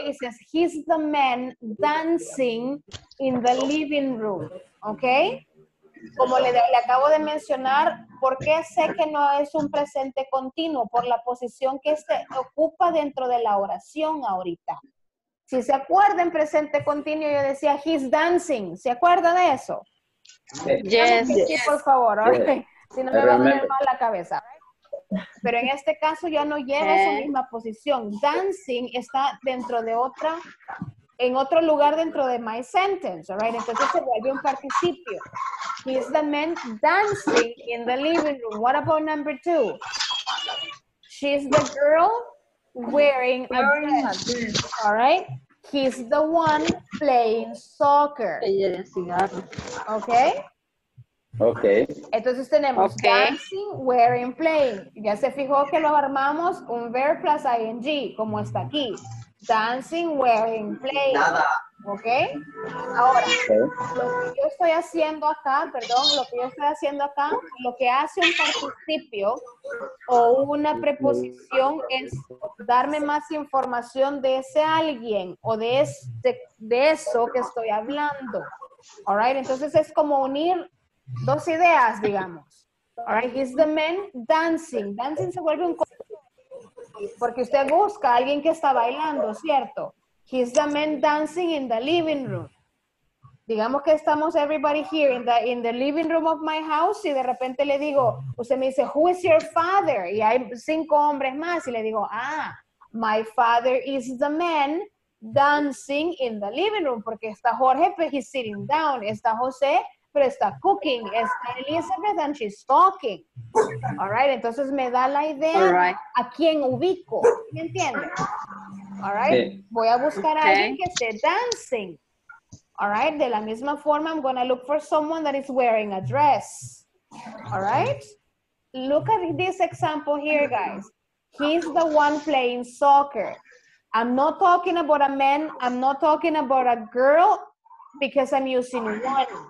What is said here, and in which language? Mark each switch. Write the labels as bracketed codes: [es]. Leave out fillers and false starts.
[en] It says he's the man dancing in the living room. Okay. [es] Como le acabo de mencionar, ¿por qué sé que no es un presente continuo? Por la posición que se ocupa dentro de la oración ahorita. Si se acuerdan, presente continuo, yo decía [en] he's dancing. [es] ¿Se acuerda de eso? [en] Yes. [es] Sí, por favor. Okay. Si no me va a poner mal la cabeza. Pero en este caso ya no lleva esa misma posición. Dancing está dentro de otra, en otro lugar dentro de [en] my sentence, all right? [es] Entonces se vuelve un participio. [en] He's the man dancing in the living room. What about number two? She's the girl wearing a dress, all right? He's the one playing soccer. Okay? Okay. [es] Entonces tenemos dancing, wearing, playing. Ya se fijó que lo armamos un verb plus ing, como está aquí. [en] Dancing, wearing, playing. [es] Nada. [en] Okay. [es] Ahora, lo que yo estoy haciendo acá, lo que hace un participio o una preposición es darme más información de ese alguien o de eso que estoy hablando. [en] All right. [es] Entonces es como unir dos ideas, digamos. [en] All right, he's the man dancing. [es] Dancing se vuelve un porque usted busca a alguien que está bailando, ¿cierto? [en] He's the man dancing in the living room. [es] Digamos que estamos [en] everybody here in the living room of my house [es] y de repente le digo, usted me dice, [en] who is your father? [es] Y hay cinco hombres más y le digo, ah, [en] my father is the man dancing in the living room [es] porque está Jorge, pero [en] he's sitting down. [es] Está José, pero está cooking, está Elizabeth [en] and she's talking. All right, [es] entonces me da la idea a quién ubico, ¿me entiendes? [en] All right, [es] voy a buscar a alguien que esté dancing. [en] All right, de la misma forma, I'm going to look for someone that is wearing a dress. All right, look at this example here, guys. He's the one playing soccer. I'm not talking about a man, I'm not talking about a girl, because I'm using one.